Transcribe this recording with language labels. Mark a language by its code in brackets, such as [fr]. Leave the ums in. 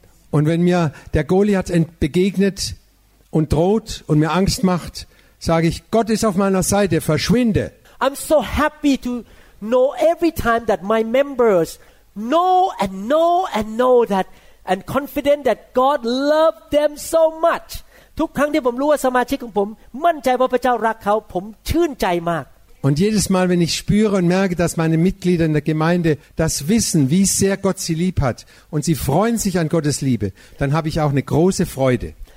[de] Und wenn mir der Goliath begegnet und droht und mir Angst macht, sage ich, Gott ist auf meiner Seite, verschwinde. [en] I'm so happy to know every time that my members know and know and know that and confident that God loved them so much. [th] ทุกครั้งที่ผมรู้ว่าสมาชิกของผมมั่นใจว่าพระเจ้ารักเขาผมชื่นใจมาก [de] und jedes Mal, wenn ich spüre und merke, dass meine Mitglieder in der Gemeinde das wissen, wie sehr Gott sie lieb hat und sie freuen sich an Gottes Liebe, dann habe ich auch eine große Freude.